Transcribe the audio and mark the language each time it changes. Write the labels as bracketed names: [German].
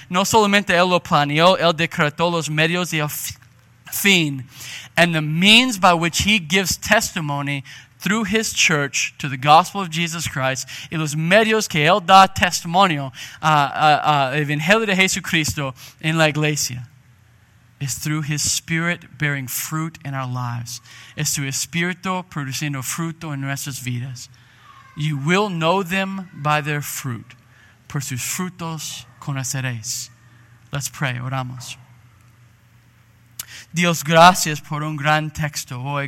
[Spanish] No solamente él lo planeó, él decretó los medios y el fin. [English] And the means by which he gives testimony through his church to the gospel of Jesus Christ, [Spanish] y los medios que él da testimonio al Evangelio de Jesucristo en la iglesia, [English] is through his Spirit bearing fruit in our lives. [Spanish] Es su Espíritu produciendo fruto en nuestras vidas. [English] You will know them by their fruit. [Spanish] Por sus frutos conoceréis. [English] Let's pray. [Spanish] Oramos. Dios, gracias por un gran texto hoy.